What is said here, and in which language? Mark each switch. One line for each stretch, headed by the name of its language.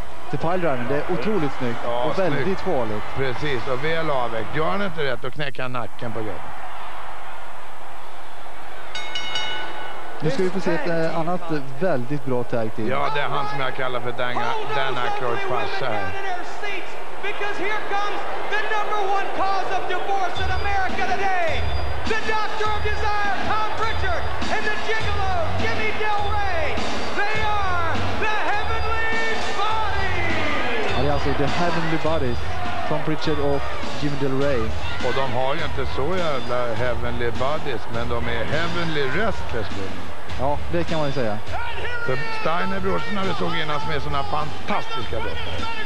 Swedish: till piledriven, det är otroligt snyggt. Ja, och snyggt. Väldigt farligt. Precis, och väl avväckt. Gör han inte rätt, och knäcker han nacken på gubben. Nu ska vi få se ett annat väldigt bra tag team. Ja, det är han som jag kallar för Dan Aykroyds farsa här.
English: Because here comes the number one cause of divorce in America today. The Doctor of Desire, Tom Pritchard, and the Gigolo, Jimmy Del Rey. They are the Heavenly Bodies.
Swedish: Ja, det är alltså The Heavenly Bodies, Tom Pritchard och Jimmy Del Rey. Och de har ju inte så jävla Heavenly Bodies, men de är Heavenly Restless. Ja, det kan man ju säga. För Steiner brorsorna vi såg innan, som är såna fantastiska brottare.